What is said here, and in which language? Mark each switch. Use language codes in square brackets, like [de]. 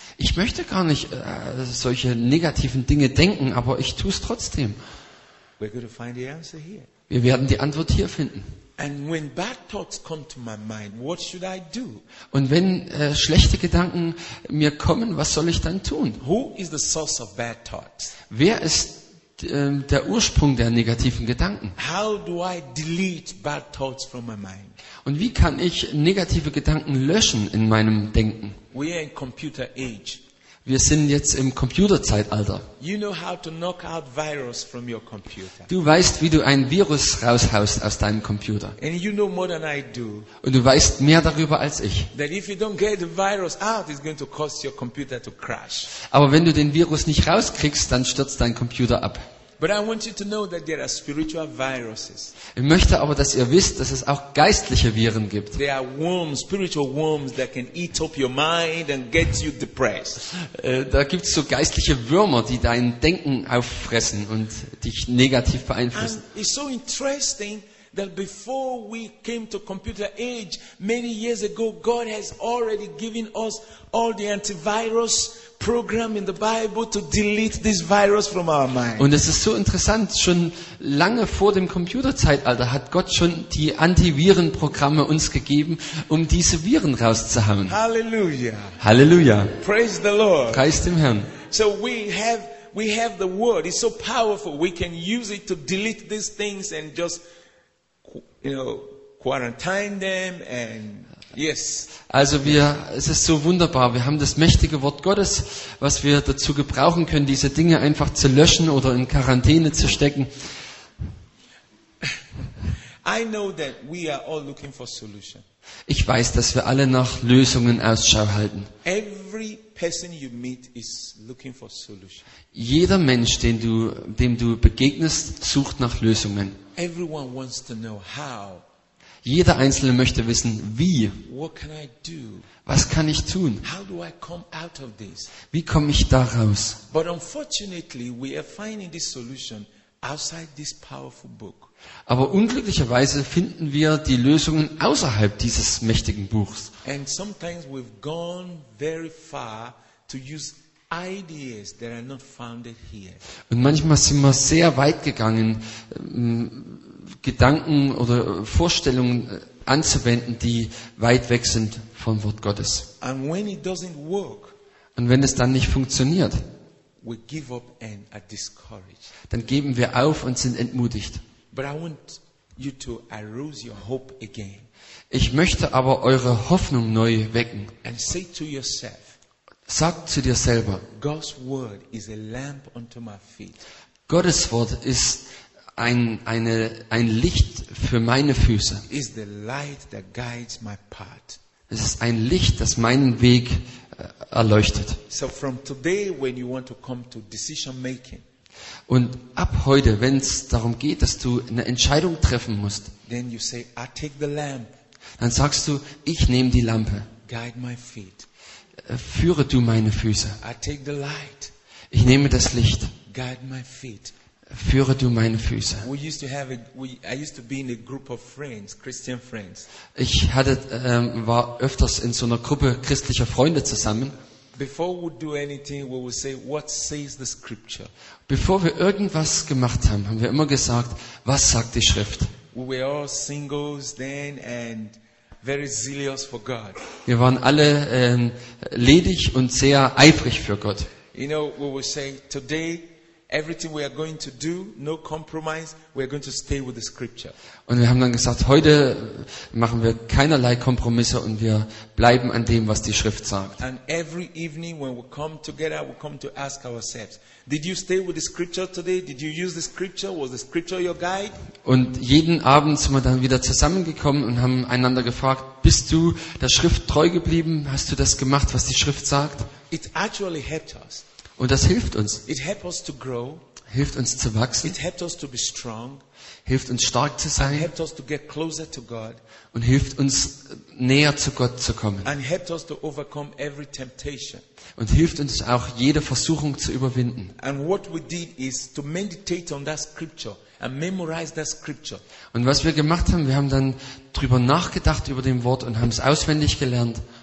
[de] Ich möchte gar nicht solche negativen Dinge denken, aber ich tue es trotzdem. [en] We're going to find the answer here. [de] Wir werden die Antwort hier finden. [en] And when bad thoughts come to my mind, what should I do? [de] Und wenn schlechte Gedanken mir kommen, was soll ich dann tun? [en] Who is the source of bad thoughts? [de] Wer ist der Ursprung der negativen Gedanken? [en] How do I delete bad thoughts from my mind? [de] Und wie kann ich negative Gedanken löschen in meinem Denken? [en] We are in computer age. [de] Wir sind jetzt im Computerzeitalter. [en] You know how to knock out virus from your computer. [de] Du weißt, wie du ein Virus raushaust aus deinem Computer. [en] And you know more than I do. [de] Und du weißt mehr darüber als ich. [en] That if you don't get the virus out, it's going to cause your computer to crash. [de] Aber wenn du den Virus nicht rauskriegst, dann stürzt dein Computer ab. [en] But I want you to know that there are spiritual viruses. [de] Ich möchte aber, dass ihr wisst, dass es auch geistliche Viren gibt. [en] There are worms, spiritual worms that can eat up your mind and get you depressed. [de] Da gibt es so geistliche Würmer, die dein Denken auffressen und dich negativ beeinflussen. [en] And it's so interesting that before we came to computer age, many years ago, God has already given us all the antivirus program in the Bible to delete this virus from our mind. [de] Und es ist so interessant, schon lange vor dem Computerzeitalter hat Gott schon die Antivirenprogramme uns gegeben, um diese Viren rauszuhauen. Halleluja. Halleluja. [en] Praise the Lord. [de] Preist dem Herrn. [en] So we have the word. It's so powerful. We can use it to delete these things and just, you know, quarantine them and yes. [de] Also wir, es ist so wunderbar, wir haben das mächtige Wort Gottes, was wir dazu gebrauchen können, diese Dinge einfach zu löschen oder in Quarantäne zu stecken. [en] I know that we are all looking for solution. [de] Ich weiß, dass wir alle nach Lösungen Ausschau halten. [en] Every person you meet is looking for solution. [de] Jeder Mensch, dem du begegnest, sucht nach Lösungen. [en] Everyone wants to know how. [de] Jeder Einzelne möchte wissen, wie. [en] What can I do? [de] Was kann ich tun? [en] How do I come out of this? [de] Wie komme ich da raus? [en] But unfortunately, we are finding this solution outside this powerful book. [de] Aber unglücklicherweise finden wir die Lösungen außerhalb dieses mächtigen Buchs. [en] And sometimes we've gone very far to use ideas that are not founded here. [de] Und manchmal sind wir sehr weit gegangen, Gedanken oder Vorstellungen anzuwenden, die weit weg sind vom Wort Gottes. [en] And when it doesn't work, [de] und wenn es dann nicht funktioniert, [en] we give up and are discouraged. [de] Dann geben wir auf und sind entmutigt. [en] But I want you to arouse your hope again. [de] Ich möchte aber eure Hoffnung neu wecken. [en] And say to yourself, [de] sag zu dir selber, [en] God's word is a lamp unto my feet. [de] Gottes Wort ist ein Licht für meine Füße. [en] Is the light that guides my path. [de] Es ist ein Licht, das meinen Weg erleuchtet. [en] So from today, when you want to come to decision making, [de] und ab heute, wenn es darum geht, dass du eine Entscheidung treffen musst, [en] then you say, I take the lamp. [de] Dann sagst du, ich nehme die Lampe. [en] Guide my feet. [de] Führe du meine Füße. [en] I take the light. [de] Ich nehme das Licht. [en] Guide my feet. [de] Führe du meine Füße. [en] I used to be in a group of friends, Christian friends. [de] Ich hatte, war öfters in so einer Gruppe christlicher Freunde zusammen. [en] Before we do anything, we will say, what says the scripture? [de] Bevor wir irgendwas gemacht haben, haben wir immer gesagt, was sagt die Schrift? [en] We were all singles then and very zealous for God. [de] Wir waren alle ledig und sehr eifrig für Gott. [en] You know, we will say, today, everything we are going to do, no compromise, we are going to stay with the scripture. [de] Und wir haben dann gesagt, heute machen wir keinerlei Kompromisse und wir bleiben an dem, was die Schrift sagt. [en] And every evening when we come together, we come to ask ourselves, did you stay with the scripture today? Did you use the scripture? Was the scripture your guide? [de] Und jeden Abend sind wir dann wieder zusammengekommen und haben einander gefragt, bist du der Schrift treu geblieben? Hast du das gemacht, was die Schrift sagt? [en] It actually helped us. [de] Und das hilft uns. [en] It helps us to grow. [de] Hilft uns zu wachsen. [en] It helps us to be strong. [de] Hilft uns stark zu sein. [en] It helps us to get closer to God. [de] Und hilft uns näher zu Gott zu kommen. [en] And helps us to overcome every temptation. [de] Und hilft uns auch jede Versuchung zu überwinden. [en] And what we did is to meditate on that scripture and memorize that scripture. [de] Und was wir gemacht haben, wir haben dann drüber nachgedacht über dem Wort und haben es auswendig gelernt.